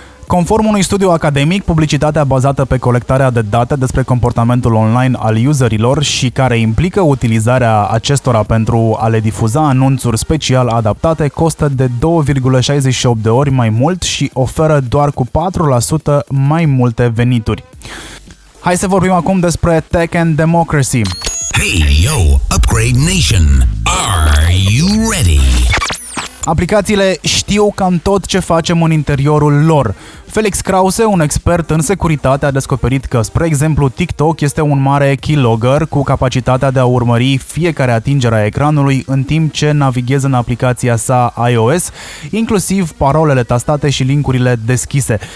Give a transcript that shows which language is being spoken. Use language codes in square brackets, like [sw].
[ro] Conform unui studiu academic, publicitatea bazată pe colectarea de date despre comportamentul online al userilor și care implică utilizarea acestora pentru a le difuza anunțuri special adaptate costă de 2,68 de ori mai mult și oferă doar cu 4% mai multe venituri. Hai să vorbim acum despre Tech and Democracy. [en] Hey, yo, Upgrade Nation, are you ready? [ro] Aplicațiile știu cam tot ce facem în interiorul lor. Felix Krause, un expert în securitate, a descoperit că, spre exemplu, TikTok este un mare keylogger cu capacitatea de a urmări fiecare atingere a ecranului în timp ce navighez în aplicația sa iOS, inclusiv parolele tastate și linkurile deschise.